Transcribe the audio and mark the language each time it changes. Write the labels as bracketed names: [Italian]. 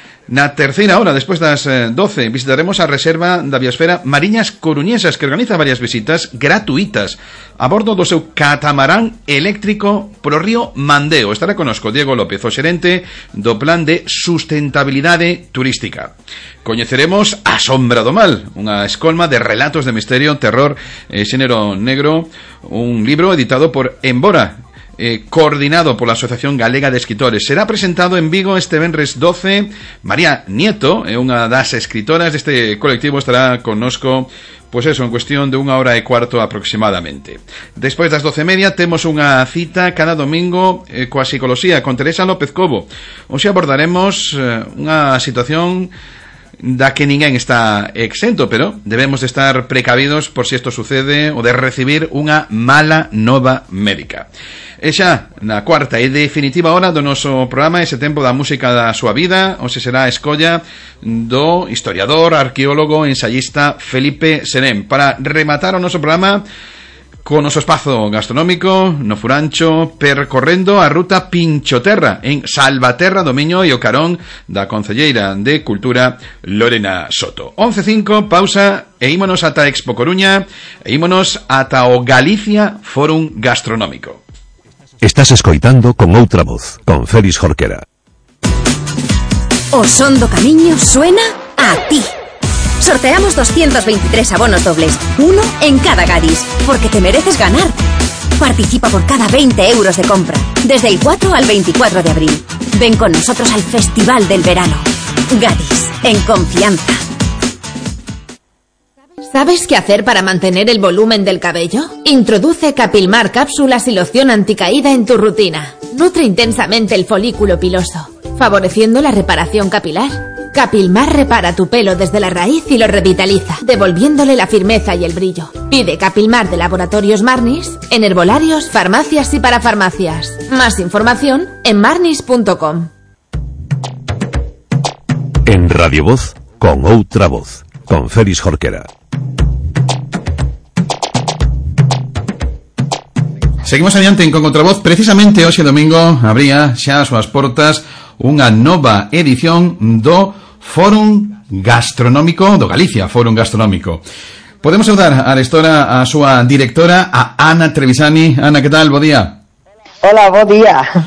[Galician] Na terceira hora, despois das 12, visitaremos a reserva da biosfera Mariñas Coruñesas, que organiza varias visitas gratuitas a bordo do seu catamarán eléctrico pro río Mandeo. Estará connosco Diego López, o xerente do plan de sustentabilidade turística. Coñeceremos A Sombra do Mal, unha escolma de relatos de misterio, terror e xénero negro, un libro editado por Embora, coordinado [Spanish] por la [Galician] Asociación Galega de Escritores. Será presentado en Vigo este venres 12. [Spanish] María Nieto, una de las escritoras de este colectivo, estará con nosco, pues eso, en cuestión de una hora y cuarto aproximadamente. Después de las 12:30, tenemos una cita cada domingo [Galician] coa psicología [Spanish] con Teresa López Cobo. [Galician] Hoxe abordaremos una situación da que ninguén está exento, pero debemos de estar precavidos por si esto sucede o de recibir una mala nova médica. E xa, na cuarta e definitiva hora do noso programa, ese tempo da música da súa vida, hoxe será a escolla do historiador, arqueólogo, ensayista Felipe Serén. Para rematar o noso programa, co noso espazo gastronómico, no Furancho, percorrendo a ruta Pinchoterra, en Salvaterra, do Miño e o Carón, da concelleira de Cultura, Lorena Soto. 11:05, pausa, e ímonos ata Expo Coruña, e ímonos ata o Galicia Fórum Gastronómico. Estás escoitando Con Outra Voz, con Félix Jorquera. O son do camiño suena a ti. [Spanish] Sorteamos 223 abonos dobles, uno en cada Gadis, porque te mereces ganar. Participa por cada 20 euros de compra, desde el 4 al 24 de abril. Ven con nosotros al Festival del Verano. Gadis, en confianza. ¿Sabes qué hacer para mantener el volumen del cabello? Introduce Capilmar cápsulas y loción anticaída en tu rutina. Nutre intensamente el folículo piloso, favoreciendo la reparación capilar. Capilmar repara tu pelo desde la raíz y lo revitaliza, devolviéndole la firmeza y el brillo. Pide Capilmar de Laboratorios Marnis en herbolarios, farmacias y parafarmacias. Más información en marnis.com. [Galician] En Radio Voz, con Outra Voz, con Félix Jorquera. Seguimos adiante en Con Outra Voz. Precisamente hoxe domingo abría xa as súas portas unha nova edición do Fórum Gastronómico do Galicia, Fórum Gastronómico. Podemos saudar a lectora, a súa directora, a Ana Trevisani. Ana, que tal? Bo día. Hola, bo día.